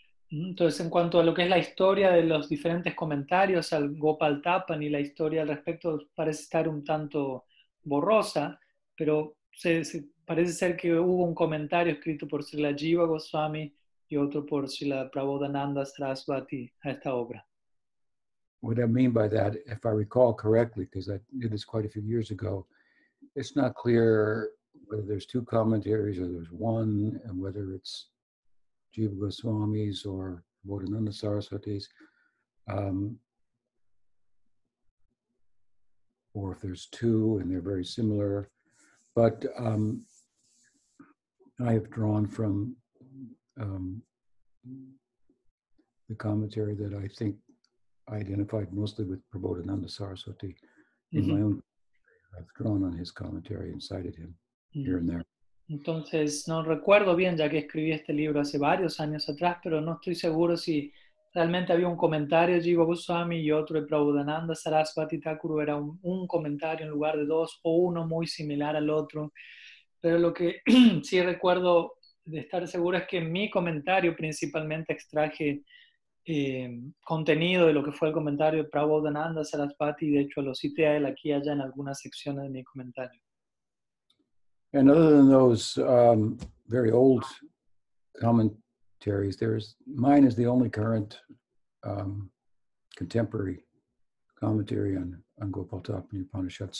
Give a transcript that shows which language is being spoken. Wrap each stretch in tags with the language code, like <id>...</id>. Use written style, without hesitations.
<es>Entonces, en cuanto a lo que es la historia de los diferentes comentarios al Gopal Tapani, la historia al respecto parece estar un tanto borrosa, pero parece ser que hubo un comentario escrito por Srila Jiva Goswami y otro por Srila Prabodhananda Saraswati a esta obra.</es> <en>What I mean by that, if I recall correctly, because I did this quite a few years ago, it's not clear whether there's two commentaries or there's one, and whether it's Jiva Goswami's or Prabodhananda Saraswati's, or if there's two and they're very similar. But I have drawn from the commentary that I think I identified mostly with Prabodhananda Saraswati in my own. I've drawn on his commentary and cited him here and there.</en> <es>Entonces, no recuerdo bien, ya que escribí este libro hace varios años atrás, pero no estoy seguro si Realmente había un comentario de Jiva Goswami y otro de Prabhudananda Sarasvati Thakur. Era un comentario en lugar de dos, o uno muy similar al otro. Pero lo que sí recuerdo de estar seguro es que mi comentario principalmente extraje contenido de lo que fue el comentario de Prabhudananda Sarasvati. De hecho, lo cité a él aquí allá en algunas secciones de mi comentario.</es> <en>And other than those very old commentaries, mine is the only current contemporary commentary on Gopal Thapa and Upanishad.</en>